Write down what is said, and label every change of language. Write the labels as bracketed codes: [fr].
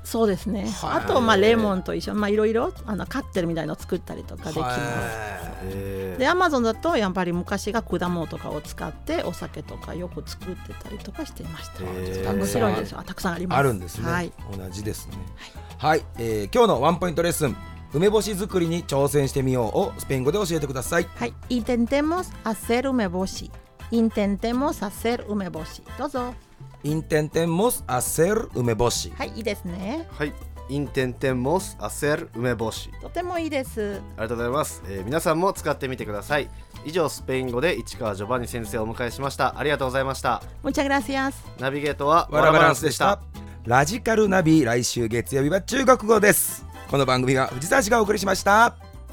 [ja] そうですね、はい、あと、まあ、レモンと一緒、まあ、いろいろカクテルみたいなのを作ったりとかできます、はい、でアマゾンだとやっぱり昔が果物とかを使ってお酒とかよく作ってたりとかしていました。面白いですよ、たくさんあります。あるんですね、はい、同じですね、はい、はい、今日のワンポイントレッスン、梅干し作りに挑戦してみようをスペイン語で教えてください。はい、 [es] intentemos hacer 梅干し、 intentemos hacer 梅干し、 [ja] どうぞ。 [es] intentemos hacer 梅干し、 [ja] はい、いいですね。はい、 [es] intentemos hacer 梅干し、 [ja] とてもいいです。ありがとうございます、皆さんも使ってみてください。以上、スペイン語で市川ジョバンニ先生をお迎えしました。ありがとうございました。 [es] muchas gracias。 [ja] ナビゲートはワラバランスでした。ラジカルナビ、来週月曜日は中国語です。この番組は藤沢市がお送りしました。